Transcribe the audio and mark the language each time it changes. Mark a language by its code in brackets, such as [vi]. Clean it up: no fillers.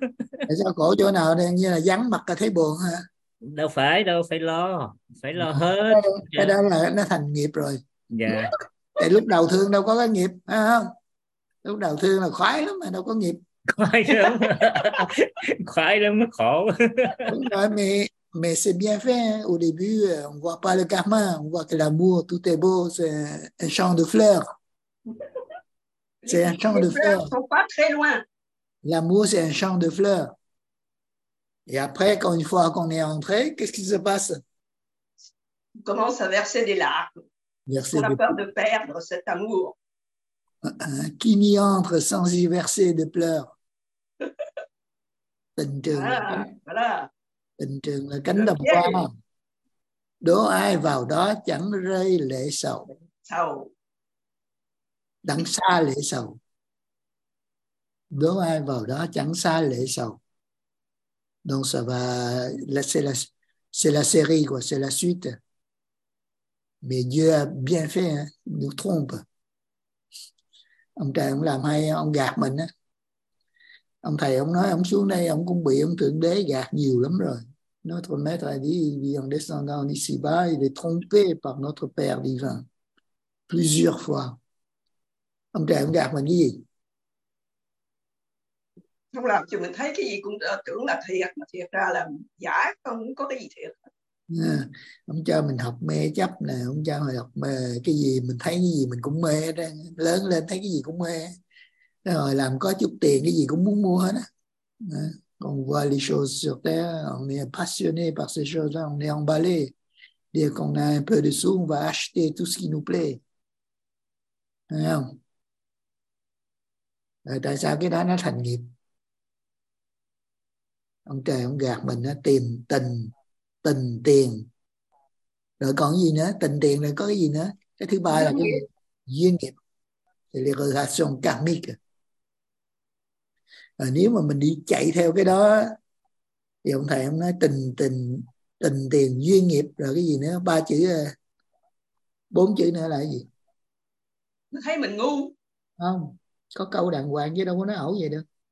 [vi] Tại sao khổ chỗ nào đây? Như là vắng mặt là thấy buồn ha? Đâu phải đâu, phải lo. Phải lo hết. Cái đó là nó thành nghiệp rồi. Dạ. Tại lúc đầu thương đâu có cái nghiệp. Thấy không? Lúc đầu thương là khoái lắm mà đâu có nghiệp. Khoái lắm. Khoái lắm, khổ. Đúng rồi, [fr] mais c'est bien fait. Au début, on ne voit pas le karma. On voit que l'amour, tout est beau. C'est un champ de fleurs. C'est un champ de fleurs. Ils ne sont pas très loin. L'amour, c'est un champ de fleurs. Et après, quand une fois qu'on est entré, qu'est-ce qui se passe? On commence à verser des larmes. On a peur de perdre cet amour. Qui n'y entre sans y verser de pleurs? [vi] Tình trường, [fr] voilà. [vi] Tình trường là cánh đồng hoa. Đố ai vào đó chẳng rơi lệ sầu. Sầu. Đặng xa lệ sầu. Đố ai vào đó chẳng xa lệ sầu. [fr] Donc ça va, c'est la série quoi, c'est la suite. Mais Dieu a bien fait, hein? Nous trompe. [vi] Ông trời ông làm hay, ông gạt mình á. Ông thầy ông nói ông xuống đây ông cũng bị ông thượng đế gạt nhiều lắm rồi. [fr] Notre maître a dit, il vit en descendant ici-bas, il est trompé par notre père divin. Plusieurs fois. [vi] Ông trời ông gạt mình cái gì? Ông làm cho mình thấy cái gì cũng tưởng là thiệt, mà thiệt ra là giả, không có cái gì thiệt. Ông cho mình học mê chấp nè, ông cho mình học cái gì, mình thấy cái gì mình cũng mê, lớn lên thấy cái gì cũng mê. Rồi làm có chút tiền cái gì cũng muốn mua hết á. [fr] On voit les choses sur terre, on est passionné par ces choses-là, on est emballé. Dès qu'on a un peu de sous, on va acheter tout ce qui nous plaît. [vi] Thấy không? Rồi tại sao cái đó nó thành nghiệp? Ông trời ông gạt mình á, tìm tình, tình tiền. Rồi còn gì nữa? Tình tiền rồi có cái gì nữa? Cái thứ ba là cái duyên nghiệp. [fr] C'est les relations karmiques. [vi] À, nếu mà mình đi chạy theo cái đó thì ông thầy ông nói tình tình tình tiền duyên nghiệp rồi cái gì nữa, ba chữ, bốn chữ nữa là cái gì? Nó thấy mình ngu không? Có câu đàng hoàng chứ đâu có nói ẩu vậy được.